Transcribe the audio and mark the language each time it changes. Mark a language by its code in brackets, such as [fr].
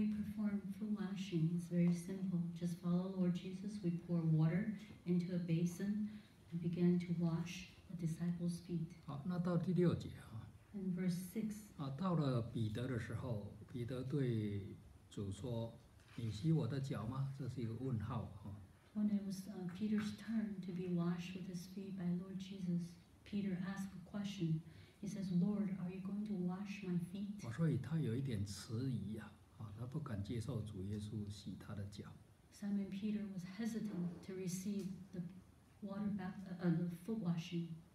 [en] how do we perform foot washing? It's very simple. Just follow Lord Jesus. We pour water into a basin and begin to wash the disciples' feet. [zh] 好，那到第六节。 [en] In verse 6. [zh] 到了彼得的时候，彼得对主说：“你洗我的脚吗？”这是一个问号。 [en] When it was Peter's turn to be washed with his feet by Lord Jesus, Peter asked a question. He says, Lord, are you going to wash my feet? [zh] 所以他有一点迟疑，他不敢接受主耶稣洗他的脚。 [en] Simon Peter was hesitant to receive the water bath, the foot washing.